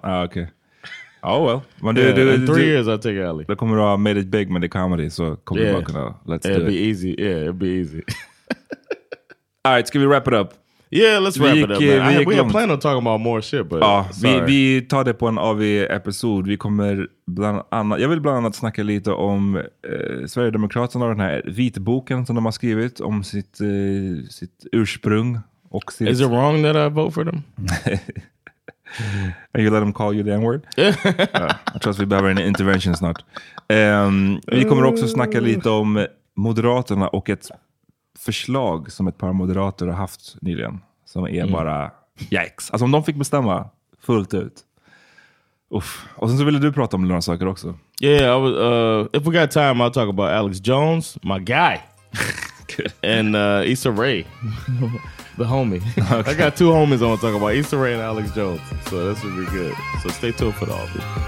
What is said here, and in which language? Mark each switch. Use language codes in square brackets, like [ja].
[en] Ah, okay. Oh well. In three years I'll take Allie. [sv] Då kommer du ha [en] made it big [sv] med [en] the comedy, [sv] så kommer du bara kunna... [en] Let's do it. It'd be easy. Yeah, it'd be easy. All right, [sv] ska vi [en] wrap it up? Yeah, let's wrap it up, man. We have planned on talking about more shit, but... [sv] Ah, vi tar det på en AV-episod. Vi kommer bland annat... Jag vill bland annat snacka lite om Sverigedemokraterna och den här vitboken som de har skrivit om sitt ursprung. Och sitt... [en] Is it wrong that I vote for them? And you let them call you the N-word? I trust we [sv] behöver [en] an intervention [sv] snart. Vi kommer också snacka lite om Moderaterna och ett... förslag som ett par moderater har haft nyligen, som är bara yikes. Alltså om de fick bestämma fullt ut. Uff. Och sen så ville du prata om några saker också. [en] Yeah, I was, if we got time I'll talk about Alex Jones, my guy. And Issa Rae. The homie. Okay. I got two homies I want to talk about, Issa Rae and Alex Jones. So that's gonna be good. So stay tuned for the office.